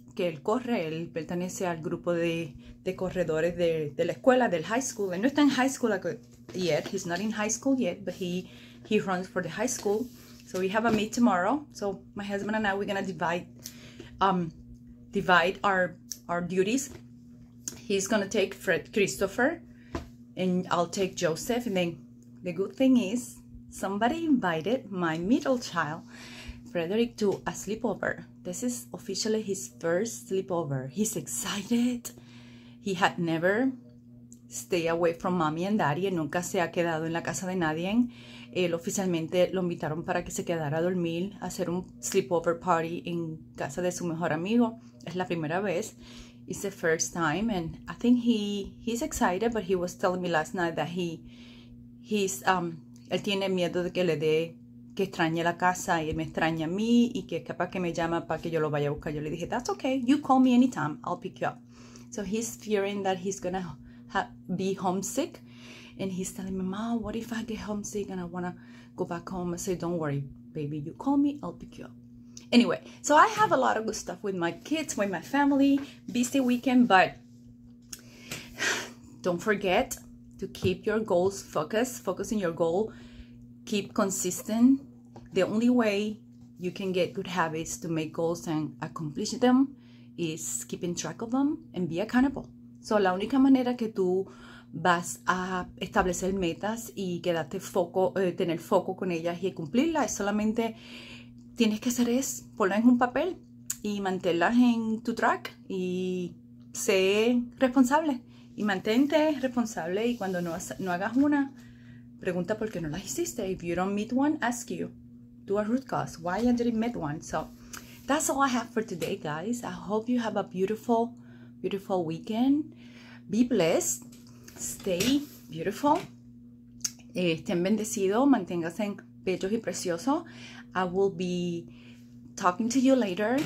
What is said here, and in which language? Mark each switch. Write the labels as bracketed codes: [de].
[es] Que él corre, él pertenece al grupo de corredores de la escuela, del high school. Él no está en high school yet. [en] He's not in high school yet, but he runs for the high school. So we have a meet tomorrow. So my husband and I, we're gonna divide our duties. He's gonna take Fred Christopher, and I'll take Joseph. And then the good thing is somebody invited my middle child, Frederick, to a sleepover. This is officially his first sleepover. He's excited. He had never stayed away from mommy and daddy. [es] Él nunca se ha quedado en la casa de nadie. Él oficialmente lo invitaron para que se quedara a dormir, a hacer un sleepover party en casa de su mejor amigo. Es la primera vez. [en] It's the first time. And I think he's excited, but he was telling me last night that [es] él tiene miedo de que le dé, que extraña la casa y me extraña a mí y que es capaz que me llama para que yo lo vaya a buscar. Yo le dije, [en] that's okay, you call me anytime, I'll pick you up. So he's fearing that he's gonna be homesick, and he's telling me, mom, what if I get homesick and I wanna go back home? I say, don't worry, baby, you call me, I'll pick you up. Anyway, so I have a lot of good stuff with my kids, with my family, busy weekend, but don't forget to keep your goals focused, focus on your goal. Keep consistent. The only way you can get good habits to make goals and accomplish them is keeping track of them and be accountable. [es] So la única manera que tú vas a establecer metas y quedarte foco, tener foco con ellas y cumplirlas, es solamente tienes que hacer es ponerlas en un papel y manténlas en tu track y sé responsable y mantente responsable y cuando no hagas una, pregunta por qué no las hiciste. [en] If you don't meet one, ask you. Do a root cause. Why you didn't meet one? So that's all I have for today, guys. I hope you have a beautiful, beautiful weekend. Be blessed. Stay beautiful. [es] Estén bendecidos. Manténganse bellos y preciosos. [en] I will be talking to you later.